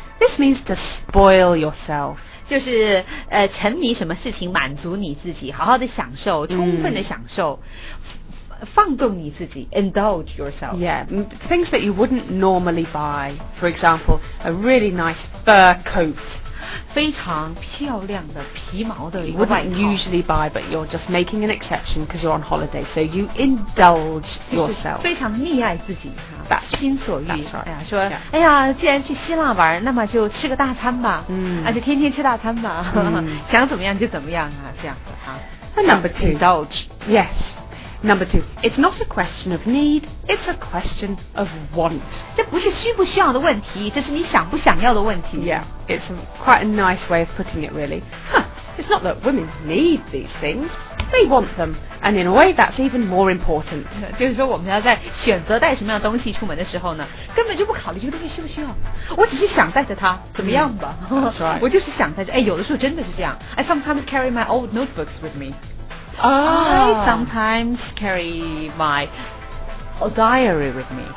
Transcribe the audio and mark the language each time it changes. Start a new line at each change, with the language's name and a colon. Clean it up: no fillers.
English: This means to spoil yourself.
Chinese: 就是沉迷什么事情满足你自己好好的享受充分的享受、放纵你自己
English: Indulge yourself. Yeah, things that you wouldn't normally buy. For example, a really nice fur coat.
Chinese: 非常漂亮的皮毛的一个外套
English: You wouldn't usually buy, but you're just making an exception because you're on holiday. So you indulge yourself.
Chinese: 非常溺爱自己，心所欲。
English: Right.
Chinese: 哎呀，说、yeah. 哎呀，既然去希腊玩，那么就吃个大餐吧。嗯，那就天天吃大餐吧。嗯、想怎么样就怎么样啊，这样子啊。
English: And number two, indulge. Yes. Number two, it's not a question of need. It's a question of want.
Chinese: 这不是需不需要的问题，这是你想不想要的问题。
English: Yeah. It's quite a nice way of putting it, really. Huh, it's not that women need these things. They want them. And in a way, that's even more important.
Chinese: 就是说我们要在选择带什么样东西出门的时候呢，根本就不考虑这个东西需不需要。我只是想带着它，怎么样吧。
English: That's right.
Chinese: 我就是想带着，哎，有的时候真的是这样。
English: I sometimes carry my old notebooks with me. Oh. I sometimes carry my diary with me.